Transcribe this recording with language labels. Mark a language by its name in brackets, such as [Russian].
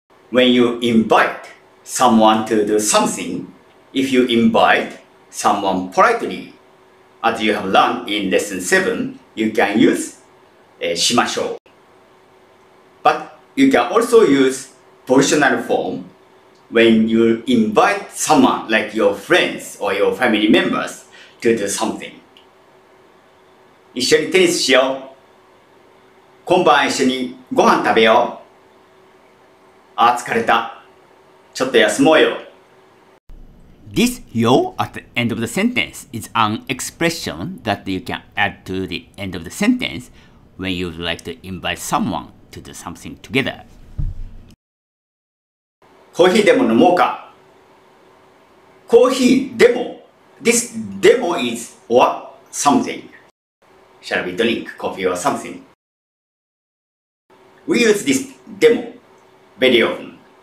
[English] When you invite someone to do something, if you invite someone politely, as you have learned in lesson 7, you can use しましょう. But you can also use volitional form when you invite someone like your friends or your family members to do something. [Japanese] 一緒にテニスしよう. 今晩一緒にご飯食べよう. ああ疲れた。ちょっと休もうよ。 [English] This yo at the end of the sentence is an expression that you can add to the end of the sentence when you'd like to invite someone to do something together. [Japanese] コーヒーでも飲もうか。コーヒーでも、 [English] this demo is or something. Shall we drink coffee or something? We use this demo very often.